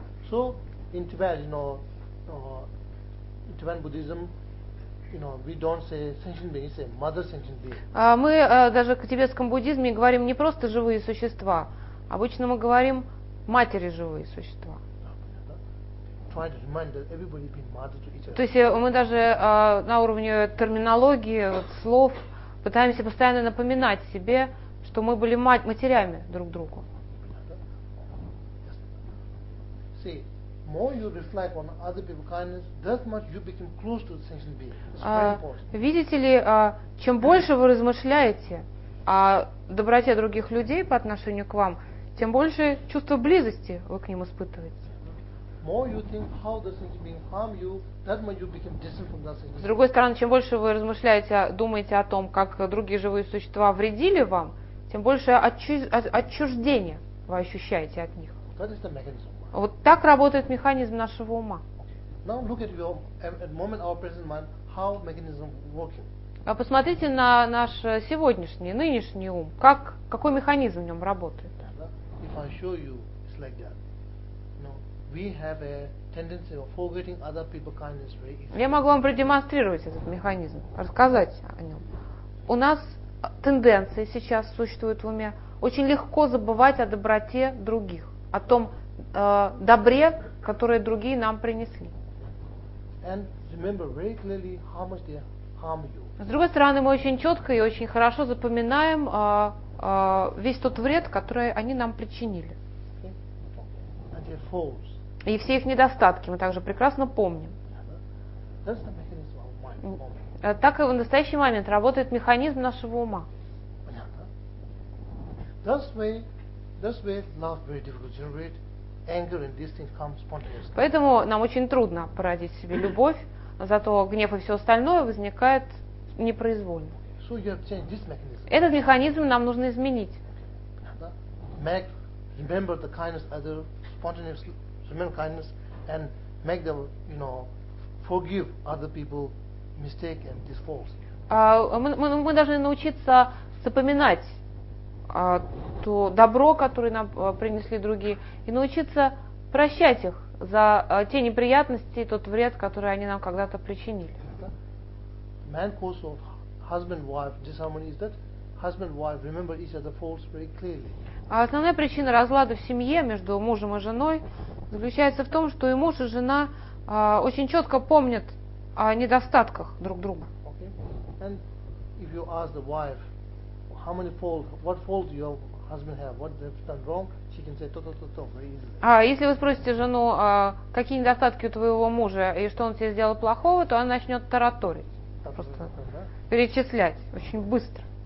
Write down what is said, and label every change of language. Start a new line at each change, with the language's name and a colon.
English: So, in Tibet, you know, in Tibetan Buddhism, you know, we don't say sentient being, we say mother sentient being.
Russian: Мы даже в тибетском буддизме говорим не просто живые существа. Обычно мы говорим матери живые существа.
English: Try to remind that everybody been mother to each
Russian: other. То есть мы даже на уровне терминологии вот, слов пытаемся постоянно напоминать себе, что мы были матерями друг другу. See.
English: More you reflect on other people's kindness, that much you become close to the sentient being.
Russian: Видите ли, чем больше вы размышляете о доброте других людей по отношению к вам, тем больше чувство близости вы к ним испытываете.
English: More you think how the sentient being harm you, that much you become distant from the sentient.
Russian: С другой стороны, чем больше вы размышляете, думаете о том, как другие живые существа вредили вам, тем больше отчуждения вы ощущаете от них.
English: That is the mechanism.
Russian: Вот так работает механизм нашего ума.
English: Now look at your, at moment our present mind, how mechanism working.
Russian: А посмотрите на наш сегодняшний, нынешний ум, как, какой механизм в нем работает.
English: If I show you, it's like that. No, we have a tendency of forgetting other people's kindness very easily.
Russian: Я могу вам продемонстрировать этот механизм, рассказать о нем. У нас тенденция сейчас существует в уме очень легко забывать о доброте других, о том добре, которое другие нам принесли.
English: And remember very clearly how much they harm you.
Russian: С другой стороны, мы очень четко и очень хорошо запоминаем весь тот вред, который они нам причинили.
English: And their faults.
Russian: И все их недостатки мы также прекрасно помним.
English: That's the mechanism of my mind.
Russian: Так и в настоящий момент работает механизм нашего ума.
English: That's way love very difficult to generate. Anger and these things come spontaneously.
Russian: Поэтому нам очень трудно породить в себе любовь, зато гнев и все остальное возникает непроизвольно.
English: So so you have changed this mechanism.
Russian: Этот механизм нам нужно изменить.
English: Make, remember the kindness, other spontaneous, remember kindness, and make them, you know, forgive other people mistake and this fault.
Russian: Мы должны научиться запоминать то добро, которое нам принесли другие, и научиться прощать их за те неприятности, тот вред, который они нам когда-то причинили.
English: Main cause of husband-wife disharmony is that husband-wife remember each other's faults very clearly.
Russian: А основная причина разлада в семье между мужем и женой заключается в том, что и муж, и жена очень четко помнят о недостатках друг друга.
English: Okay. And if you ask the wife, how many faults, what faults your husband have, what they've done wrong, she can say to very easily.
Russian: А если вы спросите жену, какие недостатки у твоего мужа и что он тебе сделал плохого, то она начнет тараторить. Просто перечислять очень быстро.